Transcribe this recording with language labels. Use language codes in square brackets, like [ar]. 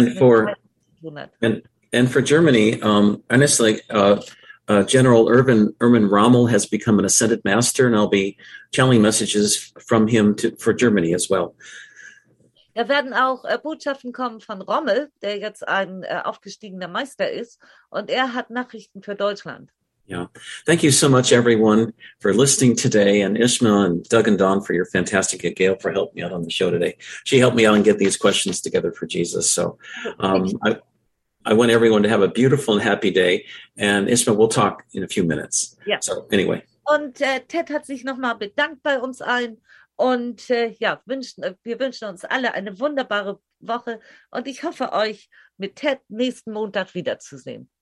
[de] mit Zeit zu tun hat. [en] And for Germany, honestly, General Erwin Rommel has become an ascended master, and I'll be channeling messages from him for Germany as well. [de] Da werden auch Botschaften kommen von Rommel, der jetzt ein aufgestiegener Meister ist, und er hat Nachrichten für Deutschland. [en] Yeah. Thank you so much, everyone, for listening today. And Ishma and Doug and Don for your fantastic and Gail for helping me out on the show today. She helped me out and get these questions together for Jesus. So I want everyone to have a beautiful and happy day. And Ishma, we'll talk in a few minutes. Yeah. So anyway. [de] Und Ted hat sich nochmal bedankt bei uns allen. Und wir wünschen uns alle eine wunderbare Woche. Und ich hoffe, euch mit Ted nächsten Montag wiederzusehen.